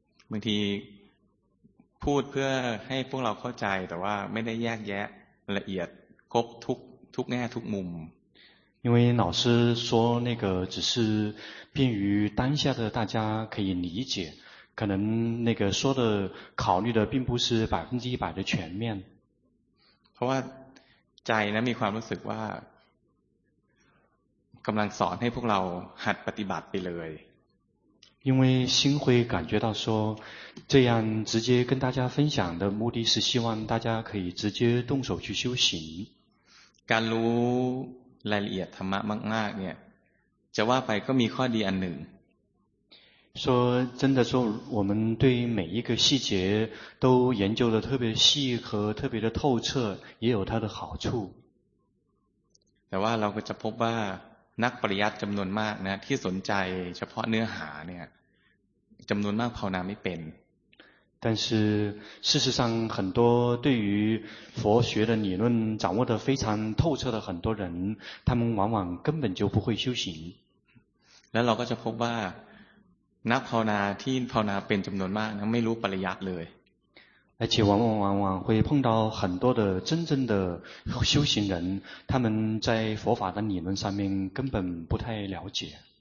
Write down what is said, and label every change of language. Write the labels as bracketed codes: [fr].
[th] บางทีพูดเพื่อให้พวกเราเข้าใจแต่ว่าไม่ได้แยกแยะละเอียดครบทุกแง่ทุกมุม [zh] 因为老师说那个只是便于当下的大家可以理解可能那个说的考虑的并不是100%的全面 [th] เพราะว่าใจนะมีความรู้สึกว่ากำลังสอนให้พวกเราหัดปฏิบัติไปเลย [zh] 因为心会感觉到说这样直接跟大家分享的目的是希望大家可以直接动手去修行 [th] การรู้รายละเอียดธรรมะมากๆเนี่ยจะว่าไปก็มีข้อดีอันหนึ่ง [zh] 说真的说我们对每一个细节都研究的特别细和特别的透彻也有它的好处 [th] แต่ว่าเราก็จะพบว่านักปริยัติจำนวนมากนะที่สนใจเฉพาะเนื้อหาเนี่ยจำนวนมากภาวนาไม่เป็น [zh] 但是事实上很多对于佛学的理论掌握得非常透彻的很多人，他们往往根本就不会修行。 [th] แล้วเราก็จะพบว่านักภาวนาที่ภาวนาเป็นจำนวนมากไม่รู้ปริยัติเลย [zh] 而且往往会碰到很多的真正的修行人，他们在佛法的理论上面根本不太了解。